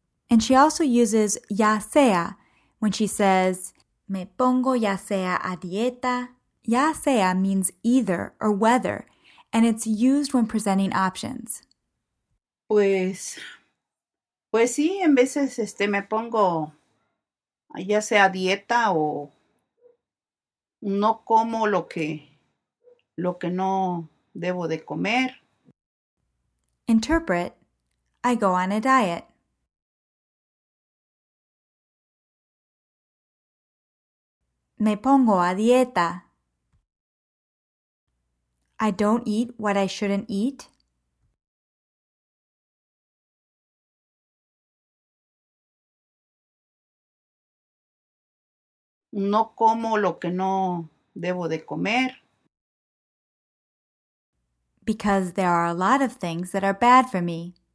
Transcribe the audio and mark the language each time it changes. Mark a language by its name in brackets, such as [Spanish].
[English] And she also uses ya sea when she says, [Spanish] me pongo ya sea a dieta. [English] Ya sea means either or whether, and it's used when presenting options. [Spanish] Pues sí, en veces me pongo ya sea dieta o no como lo que no debo de comer. [English] Interpret, I go on a diet. [Spanish] Me pongo a dieta. [English] I don't eat what I shouldn't eat. [Spanish] No como lo que no debo de comer. [English] Because there are a lot of things that are bad for me.